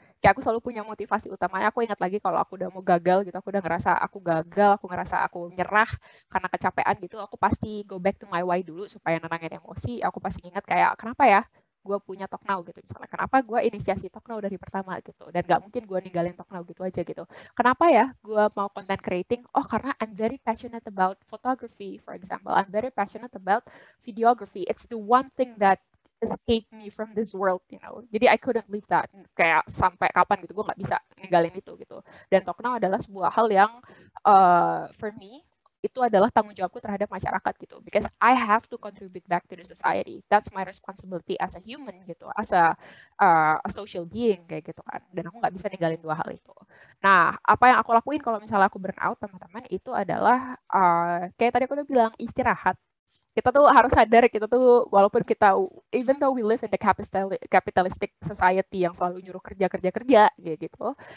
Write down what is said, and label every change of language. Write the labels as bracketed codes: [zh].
[id] Kayak aku selalu punya motivasi utamanya. Aku ingat lagi kalau aku udah mau gagal gitu, aku udah ngerasa aku gagal, aku ngerasa aku nyerah karena kecapean gitu, aku pasti [en] go back to my why [id] dulu supaya nenangin emosi. Aku pasti ingat kayak, kenapa ya gue punya TalkNow gitu misalnya. Kenapa gue inisiasi TalkNow dari pertama gitu. Dan gak mungkin gue ninggalin TalkNow gitu aja gitu. Kenapa ya gue mau content creating? [en] Oh, karena I'm very passionate about photography, for example. I'm very passionate about videography. It's the one thing that escape me from this world, you know. Jadi I couldn't leave that. [id] Kayak sampai kapan gitu, gue gak bisa ninggalin itu gitu. Dan TalkNow adalah sebuah hal yang [en] for me, [id] itu adalah tanggung jawabku terhadap masyarakat gitu. [en] Because I have to contribute back to the society. That's my responsibility as a human gitu. As a social being [id] kayak gitu kan. Dan aku gak bisa ninggalin dua hal itu. Nah, apa yang aku lakuin kalau misalnya aku burnout teman-teman, itu adalah kayak tadi aku udah bilang, istirahat. kita tuh harus sadar, kita tuh walaupun kita, [en] even though we live in the capitalistic society [id] yang selalu nyuruh kerja-kerja-kerja, gitu.